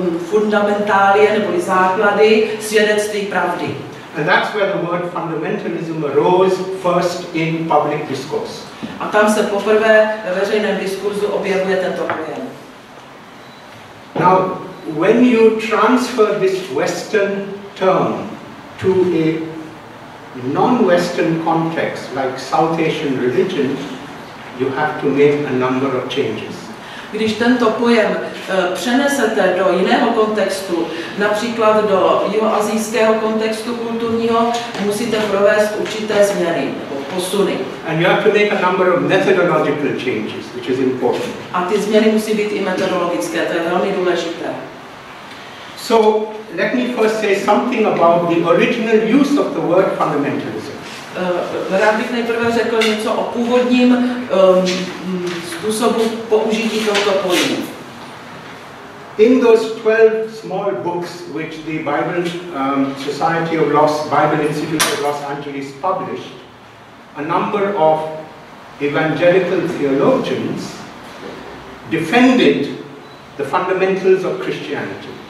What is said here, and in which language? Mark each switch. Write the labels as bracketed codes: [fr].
[cs] Fundamentálie, neboli základy, svědectví pravdy. [en] And that's where the word fundamentalism arose first in public discourse. [cs] A tam se poprvé ve veřejném diskurzu objevuje tento pojem. [en] Now, when you transfer this Western term to a non-Western context like South Asian religion, you have to make a number of changes. [cs] Když tento pojem přenesete do jiného kontextu, například do jihoasijského kontextu kulturního, musíte provést určité změny nebo posuny. [en] And you have to make a number of methodological changes, which is important. [cs] A ty změny musí být i metodologické, to je velmi důležité. [en] So, let me first say something about the original use of the word fundamentalism. [cs] Rád bych nejprve řekl něco o původním způsobu použití tohoto pojmu. [en] In those 12 small books which the Bible Society of Los, Bible Institute of Los Angeles published, a number of evangelical theologians defended the fundamentals of Christianity.